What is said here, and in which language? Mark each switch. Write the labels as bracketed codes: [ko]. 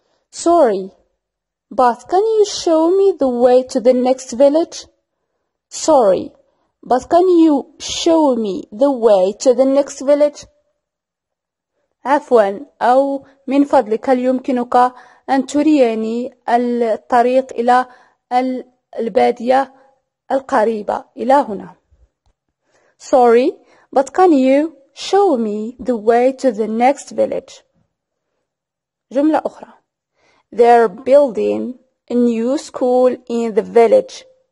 [en] Sorry, but can you show me the way to the next village? Sorry, but can you show me the way to the next village? [ar] عفوا أو من فضلك هل يمكنك أن تريني الطريق إلى البادية القريبة إلى هنا. [en] Sorry, but can you Show me the way to the next village. [ar] جملة أخرى. [en] They're building a new school in the village.